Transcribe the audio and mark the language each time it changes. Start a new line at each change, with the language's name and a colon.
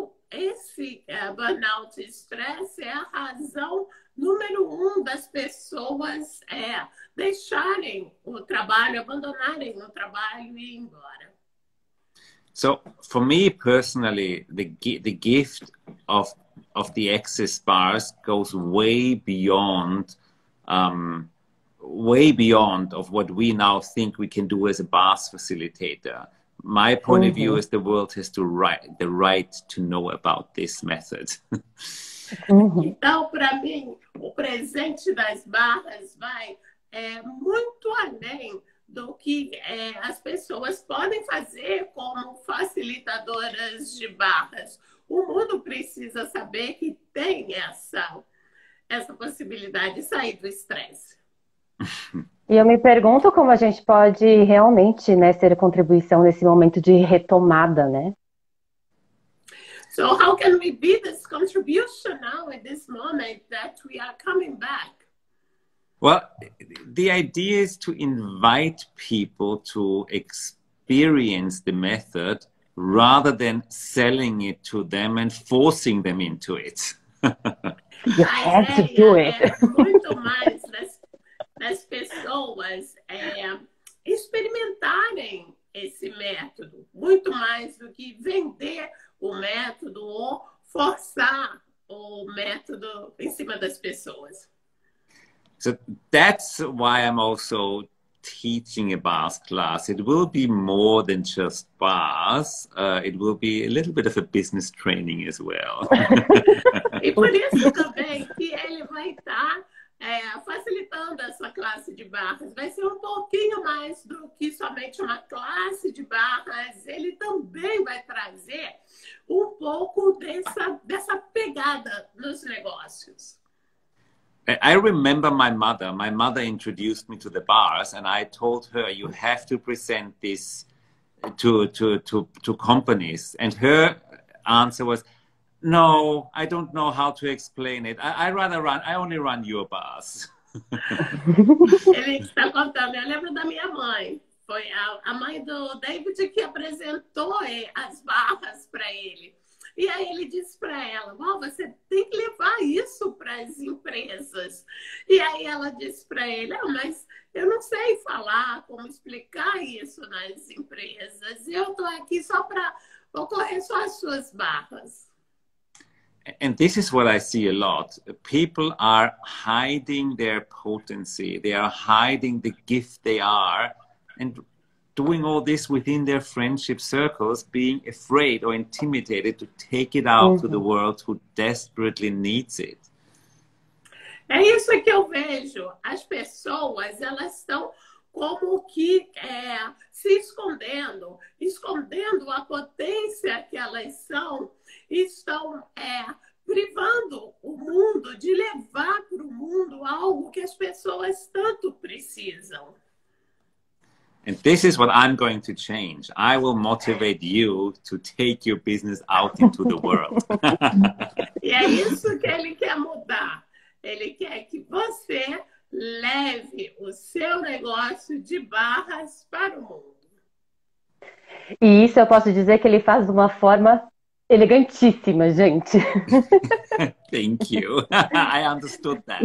Portuguese: Esse burnout e estresse é a razão número um das pessoas deixarem o trabalho, abandonarem o trabalho e ir embora.
English: So, for me personally, the gift of the access bars goes way beyond of what we now think we can do as a bars facilitator. My point of view is the world has to right the right to know about this method.
Portuguese: Então, para mim, o presente das barras vai muito além do que as pessoas podem fazer como facilitadoras de barras. O mundo precisa saber que tem essa possibilidade de sair do estresse. E eu me pergunto como a gente pode realmente, né, ser contribuição nesse momento de retomada, né?
English: So, how can we be this contribution now in this moment that we are coming back? Well, the idea is to invite people to experience the method rather than selling it to them and forcing them into it. You
Portuguese: A
English: had to do it.
Portuguese: ideia é muito mais das pessoas experimentarem esse método, muito mais do que vender o método ou forçar o método em cima das pessoas.
English: So that's why I'm also teaching a bars class. It will be more than just bars. It will be a little bit of a business training as well.
Portuguese: E por isso também que ele vai estar facilitando essa classe de barras. Vai ser um pouquinho mais do que somente uma classe de barras. Ele também vai trazer um pouco dessa pegada nos negócios.
English: I remember my mother. My mother introduced me to the bars, and I told her, "You have to present this to companies." And her answer was, "No, I don't know how to explain it. I only run your bars."
Portuguese: Ele está contando, eu lembro da minha mãe. Foi a mãe do David que apresentou as barras para ele. E aí ele disse para ela: "Bom, você tem que levar isso para as empresas." E aí ela disse para ele: "Mas eu não sei falar como explicar isso nas empresas. Eu estou aqui só para ocorrer só as suas barras."
English: And this is what I see a lot. People are hiding their potency. They are hiding the gift they are, and doing all this within their friendship circles, being afraid or intimidated to take it out to the world who desperately needs it.
Portuguese: É isso que eu vejo. As pessoas, elas estão como que se escondendo, escondendo a potência que elas são, estão privando o mundo de levar para o mundo algo que as pessoas tanto precisam.
English: And this is what I'm going to change. I will motivate you to take your business out into the world.
Portuguese: E é isso que ele quer mudar. Ele quer que você leve o seu negócio de barras para o mundo. E isso eu posso dizer que ele faz de uma forma Elegantíssima, gente.
English: Thank you. I understood that.